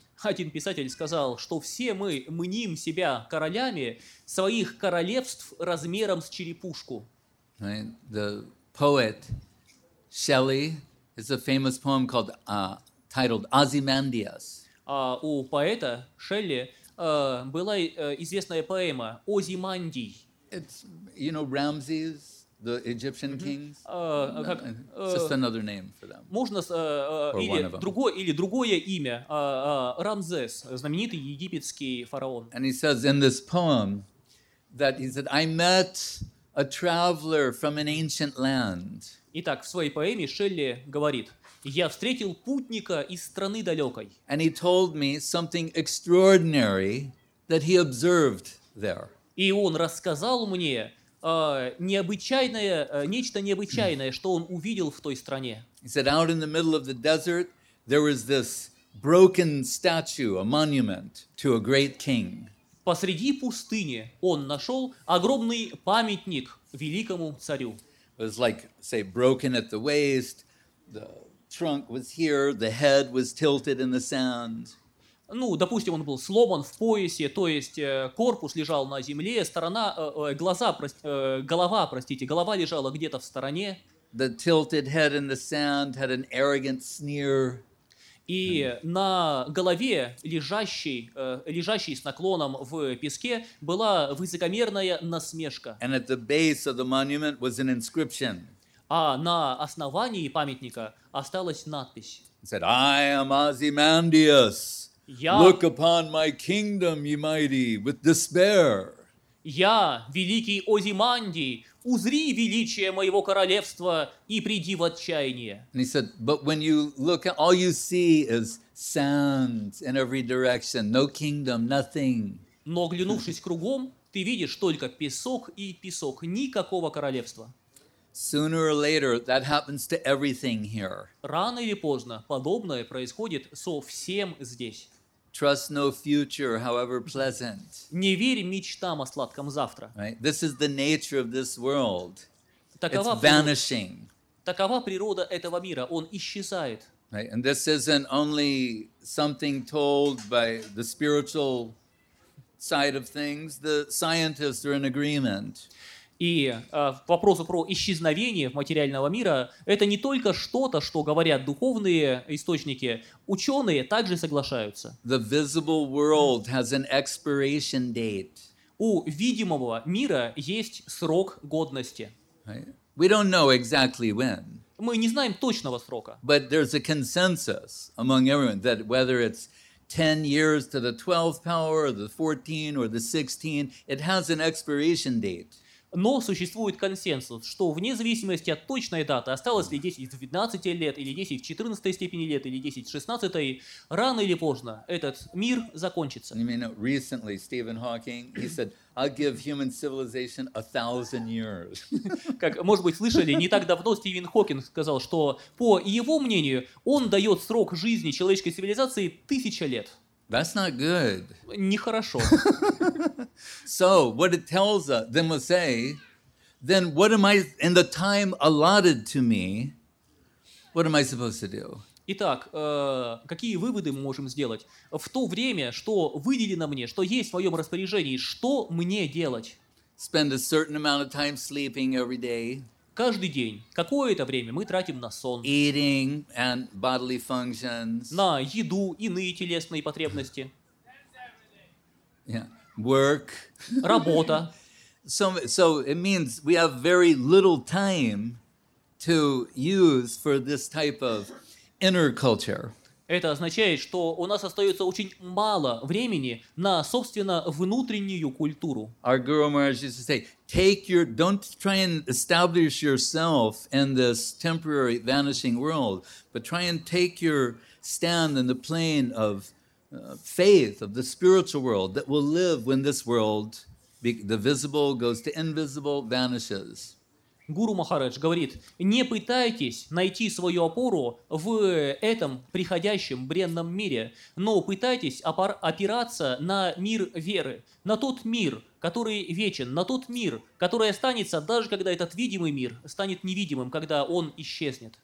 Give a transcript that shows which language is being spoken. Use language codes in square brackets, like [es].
[ru] Один писатель сказал, что все мы мним себя королями своих королевств размером с черепушку. [en] Right? The poet Shelley has a famous poem called titled Ozymandias. [ru] У поэта Шелли была известная поэма «Озимандий». [en] It's, you know, Ramses, the Egyptian kings. Just another name for them. [ru] Можно или другое или другое имя. Рамзес, знаменитый египетский фараон. [en] And he says in this poem that he said, "I met a traveler from an ancient land." [ru] Итак, в своей поэме Шелли говорит: "Я встретил путника из страны далекой." [en] And he told me something extraordinary that he observed there. [ru] И он рассказал мне необычайное, нечто необычайное, что он увидел в той стране. [en] He said, out in the middle of the desert, there was this broken statue, a monument to a great king. [ru] Посреди пустыни он нашел огромный памятник великому царю. [en] It was like, say, broken at the waist, the trunk was here, the head was tilted in the sand. [ru] Ну, допустим, он был сломан в поясе, то есть корпус лежал на земле, сторона, голова лежала где-то в стороне. [en] The tilted head in the sand had an arrogant sneer. [ru] И на голове, лежащей с наклоном в песке, была высокомерная насмешка. [en] And at the base of the monument was an inscription. [ru] А на основании памятника осталась надпись. [en] It said, I am Ozymandias. Look upon my kingdom, ye mighty, with despair. [ru] Я великий Озиманди, узри величие моего королевства и приди в отчаяние. [en] And he said, but when you look at all you see is sand in every direction, no kingdom, nothing. [ru] Но глянувшись кругом, ты видишь только песок и песок, никакого королевства. [en] Sooner or later, that happens to everything here. [ru] Рано или поздно подобное происходит со всем здесь. [en] Trust no future, however pleasant. [ru] Не верь мечтам о сладком завтра. [en] Right? This is the nature of this world. [ru] Такова [en] It's vanishing. [ru] Такова природа этого мира. Он исчезает. [en] Right? And this isn't only something told by the spiritual side of things. The scientists are in agreement. [ru] И вопрос про исчезновение материального мира – это не только что-то, что говорят духовные источники. Ученые также соглашаются. [en] The visible world has an expiration date. [ru] У видимого мира есть срок годности. [en] Right? We don't know exactly when. [ru] Мы не знаем точного срока. [en] But there's a consensus among everyone that whether it's 10 years to the 12th power, or the 14th, or the 16th, it has an expiration date. [ru] Но существует консенсус, что вне зависимости от точной даты, осталось ли 10 в 12 лет, или 10 в 14 степени лет, или 10 в 16, рано или поздно этот мир закончится. [en] You mean, recently, Stephen Hawking, he said, I'll give human civilization 1,000 years. [ru] Как, может быть, слышали, не так давно Стивен Хокинг сказал, что, по его мнению, он дает срок жизни человеческой цивилизации 1,000 лет. [en] That's not good. [ru] Нехорошо. [en] So, what it tells us, then we'll say, then what am I, in the time allotted to me, what am I supposed to do? [ru] Итак, какие выводы мы можем сделать? В то время, что выделено мне, что есть в моем распоряжении, что мне делать? [en] Spend a certain amount of time sleeping every day. [ru] Каждый день какое-то время мы тратим на сон, [en] eating and bodily functions, [ru] на еду, иные телесные потребности, [en] yeah. Work. [ru] Работа. [en] So it means we have very little time to use for this type of inner culture. [ru] Это означает, что у нас остается очень мало времени на, собственно, внутреннюю культуру. [en] Our Guru Maharaj used to say, take your, don't try and establish yourself in this temporary vanishing world, but try and take your stand in the plane of faith, of the spiritual world that will live when this world, the visible goes to invisible, vanishes. [ru] Гуру Махарадж говорит, не пытайтесь найти свою опору в этом приходящем бренном мире, но пытайтесь опираться на мир веры, на тот мир, который вечен, на тот мир, который останется, даже когда этот видимый мир станет невидимым, когда он исчезнет.